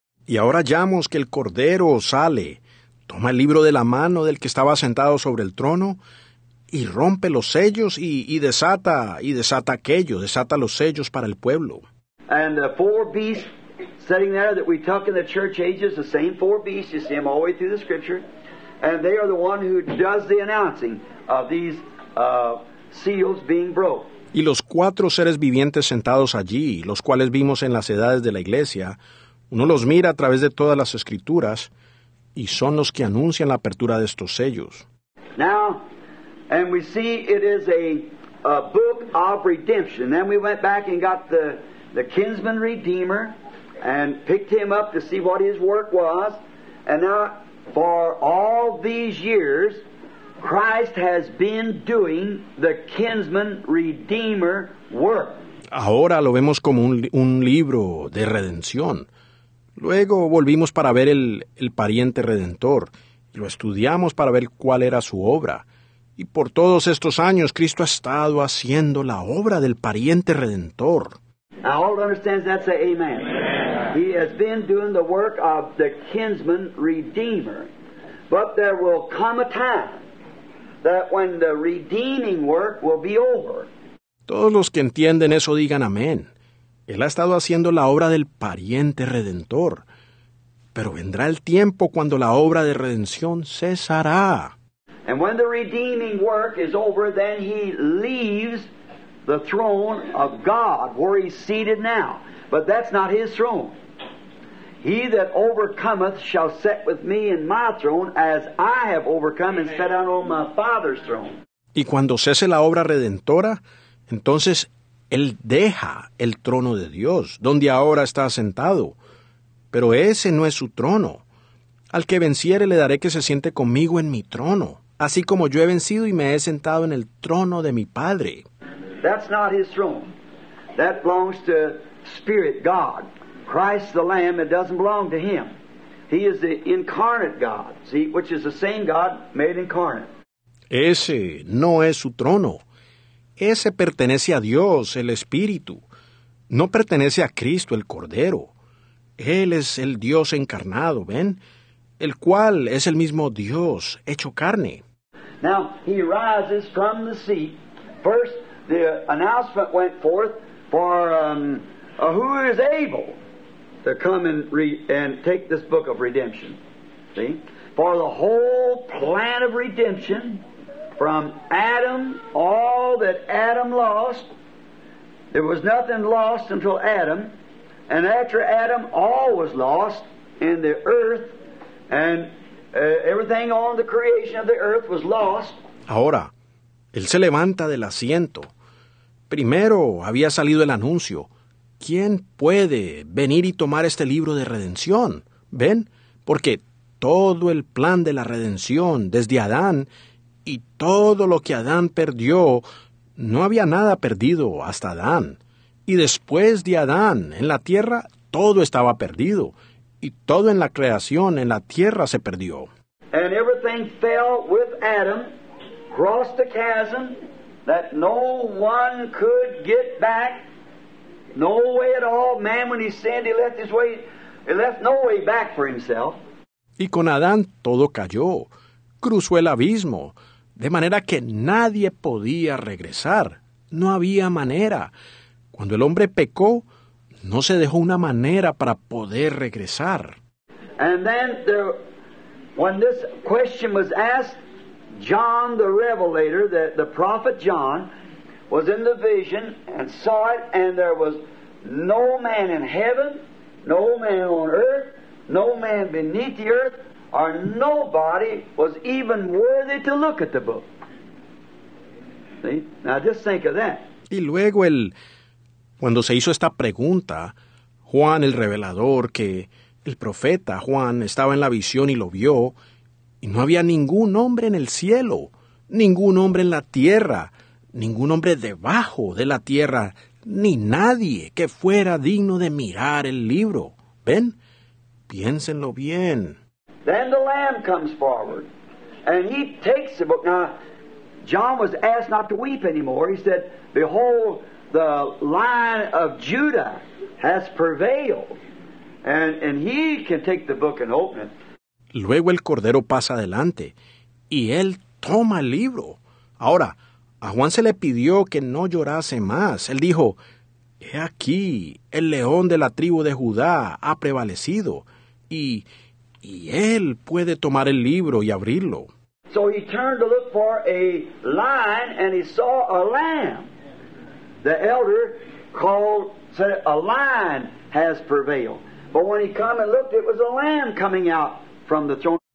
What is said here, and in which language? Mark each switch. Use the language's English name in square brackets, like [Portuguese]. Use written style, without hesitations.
[Spanish] Y ahora hallamos que el Cordero sale, toma el libro de la mano del que estaba sentado sobre el trono, y rompe los sellos y desata los sellos para el pueblo. [English] And the four beasts sitting there that we talk in the church ages, the same four beasts, you see them all the way through the scripture, and they are the one who does the announcing of these seals being broke. [Spanish] Y los cuatro seres vivientes sentados allí, los cuales vimos en las edades de la iglesia, uno los mira a través de todas las escrituras, y son los que anuncian la apertura de estos sellos. [English] Now, and we see it is a book of redemption. Then we went back and got the kinsman redeemer, and picked him up to see what his work was. And now, for all these years, Christ has been doing the kinsman redeemer work. [Spanish] Ahora lo vemos como un libro de redención. Luego volvimos para ver el pariente redentor. Y lo estudiamos para ver cuál era su obra. Y por todos estos años, Cristo ha estado haciendo la obra del pariente redentor. [English] Now all understands that, say amen. Amen. He has been doing the work of the kinsman redeemer. But there will come a time that when the redeeming work will be over. [Spanish] Todos los que entienden eso digan amén. Él ha estado haciendo la obra del pariente redentor. Pero vendrá el tiempo cuando la obra de redención cesará. [English] And when the redeeming work is over, then he leaves the throne of God where he's seated now. But that's not his throne. He that overcometh shall sit with me in my throne, as I have overcome and sat down on my Father's throne. [Spanish] Y cuando cese la obra redentora, entonces él deja el trono de Dios, donde ahora está sentado. Pero ese no es su trono. Al que venciere le daré que se siente conmigo en mi trono, así como yo he vencido y me he sentado en el trono de mi Padre. [English] That's not his throne. That belongs to Spirit God. Christ the Lamb, it doesn't belong to him. He is the incarnate God, see, which is the same God made incarnate. [Spanish] Ese no es su trono. Ese pertenece a Dios, el Espíritu. No pertenece a Cristo, el Cordero. Él es el Dios encarnado, ¿ven? El cual es el mismo Dios hecho carne. [English] Now, he rises from the sea. First, the announcement went forth for who is able to come and take this book of redemption. See? For the whole plan of redemption from Adam, all that Adam lost. There was nothing lost until Adam. And after Adam, all was lost in the earth. And everything on the creation of the earth was lost. [Spanish] Ahora, él se levanta del asiento. Primero había salido el anuncio. ¿Quién puede venir y tomar este libro de redención? ¿Ven? Porque todo el plan de la redención desde Adán y todo lo que Adán perdió, no había nada perdido hasta Adán. Y después de Adán en la tierra, todo estaba perdido. Y todo en la creación en la tierra se perdió. [English] And everything fell with Adam, crossed a chasm that no one could get back. No way at all. Man, when he sinned, he left his way. He left no way back for himself. [Spanish] Y con Adán todo cayó. Cruzó el abismo. De manera que nadie podía regresar. No había manera. Cuando el hombre pecó, no se dejó una manera para poder regresar. [English] And then there, when this question was asked, John the Revelator, the prophet John, was in the vision and saw it, and there was no man in heaven, no man on earth, no man beneath the earth, or nobody was even worthy to look at the book. See? Now just think of that. [Spanish] Y luego el, cuando se hizo esta pregunta, Juan el Revelador, que el profeta Juan estaba en la visión y lo vio, y no había ningún hombre en el cielo, ningún hombre en la tierra, ningún hombre debajo de la tierra, ni nadie que fuera digno de mirar el libro. ¿Ven? Piénsenlo bien. [English] Then the Lamb comes forward, and he takes the book. Now, John was asked not to weep anymore. He said, behold, the Lion of Judah has prevailed, and he can take the book and open it. [Spanish] Luego el Cordero pasa adelante, y él toma el libro. Ahora, a Juan se le pidió que no llorase más. Él dijo, he aquí, el león de la tribu de Judá ha prevalecido, y él puede tomar el libro y abrirlo. [English] So he turned to look for a lion, and he saw a lamb. The elder called, said, a lion has prevailed. But when he came and looked, it was a lamb coming out from the throne.